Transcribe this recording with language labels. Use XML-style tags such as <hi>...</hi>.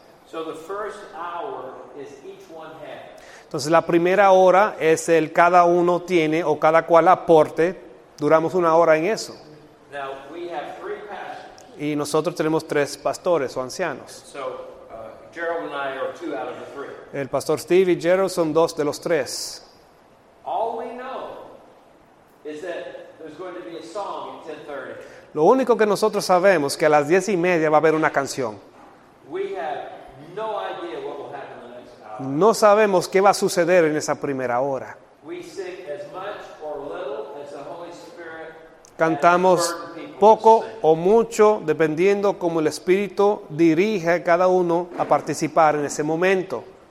<en>So the first hour is each one has.</en> <es>Entonces la primera hora es el cada uno tiene o cada cual aporte. Duramos 1 hora en eso.</es> <en>Now, we have 3 pastors.</en> <es>Y nosotros tenemos 3 pastores o ancianos.</es> <en>So, Gerald and I are 2 out of the 3.</en> <es>El pastor Steve y Gerald son 2 de los 3.</es> <en>All we know is that there's going to be a song at 10:30.</en> <es>Lo único que nosotros sabemos es que a las 10:30 va a haber una canción.</es> <en>We have no idea what will happen in the next hour.</en> <es>No sabemos qué va a suceder en esa primera hora.</es> <en>We sing as much or little as the Holy Spirit.</en> <es>Cantamos poco o mucho, dependiendo cómo el Espíritu dirige a cada uno a participar en ese momento.</es>